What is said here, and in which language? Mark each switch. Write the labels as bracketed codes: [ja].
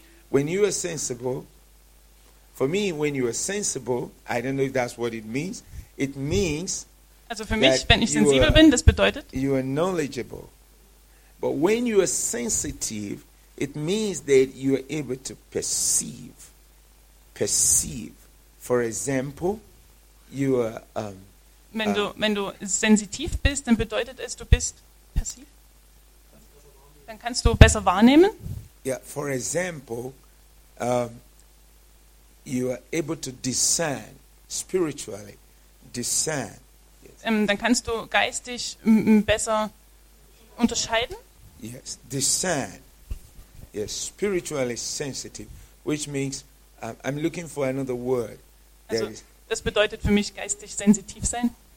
[en] When you are sensible, for me, when you are sensible, I don't know if that's what it means. It means. [de] Also für mich, wenn ich sensibel bin, das bedeutet. [en] You are knowledgeable. But when you are sensitive, it means that you are able to perceive. Perceive. For example, you are. [de] Wenn du sensitiv bist, dann bedeutet es, du bist passiv. Dann kannst du besser wahrnehmen. [en] Yeah, for example, you are able to discern, spiritually discern. [de] Dann kannst du geistig besser unterscheiden. [en] Yes, discern. Yes, spiritually sensitive, which means I'm looking for another word. [de] Also, is, das bedeutet für mich geistig sensitiv sein.